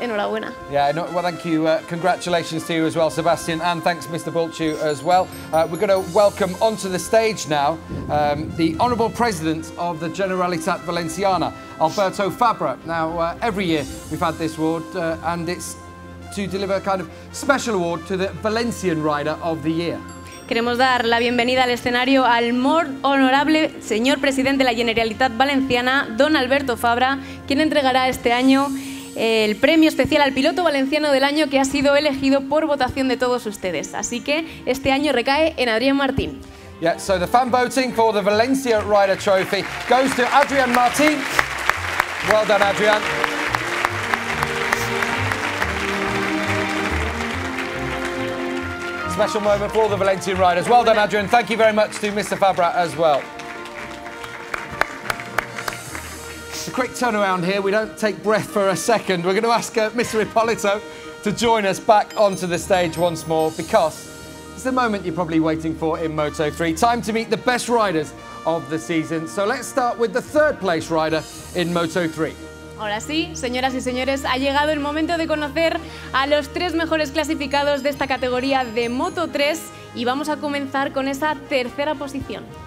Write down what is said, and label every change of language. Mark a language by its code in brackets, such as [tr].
[es] Enhorabuena. [en] Yeah, no, well, thank you. Congratulations to you as well, Sebastian, and thanks, Mr. Bulcu, as well. We're going to welcome onto the stage now the Honourable President of the Generalitat Valenciana, Alberto Fabra. Now, every year we've had this award, and it's to deliver a kind of special award to the Valencian Rider of the Year. [es] Queremos dar la bienvenida al escenario al more honorable señor presidente de la Generalitat Valenciana, don Alberto Fabra, quien entregará este año el premio especial al piloto valenciano del año que ha sido elegido por votación de todos ustedes. Así que este año recae en Adrián Martín. [en] Yeah, so the fan voting for the Valencia Rider Trophy goes to Adrián Martín. Well done, Adrián. Special moment for the Valencian riders. Well done, Adrian. Thank you very much to Mr. Fabra as well. A quick turnaround here. We don't take breath for a second. We're going to ask Mr. Ippolito to join us back onto the stage once more, because it's the moment you're probably waiting for in Moto3. Time to meet the best riders of the season. So let's start with the third place rider in Moto3. [es] Ahora sí, señoras y señores, ha llegado el momento de conocer a los tres mejores clasificados de esta categoría de Moto3 y vamos a comenzar con esa tercera posición.